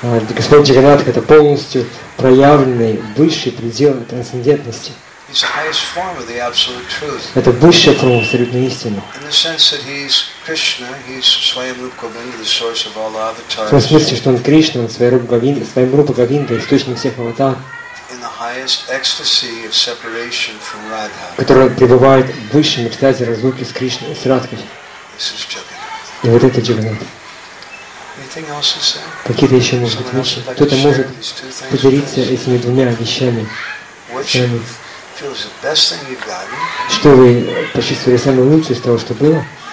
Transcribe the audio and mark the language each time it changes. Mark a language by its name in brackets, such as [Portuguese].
[Russian] Господь Джаганнатх — это полностью проявленный высший предел трансцендентности. [English] He's the highest form of the absolute truth. [Russian] Это высшая форма абсолютной истины. [English] In the sense that he's Krishna, he's Swayam Rupa Govinda, the source of all avatars. [Russian] В том смысле, что он Кришна, Свайм Рупа Говинда, источник всех аватар. [English] In the highest ecstasy of separation from Radha. [Russian] Который пребывает в высшем экстазе разлуки с Кришной, с Радхой. [English] This is Jagannath. [Russian] И вот это Джаганнат. [English] Anything else to say? [Russian] Какие-то еще может быть вещи? Кто-то может поделиться этими двумя вещами? Что вы почувствовали самое лучшее из того, что было?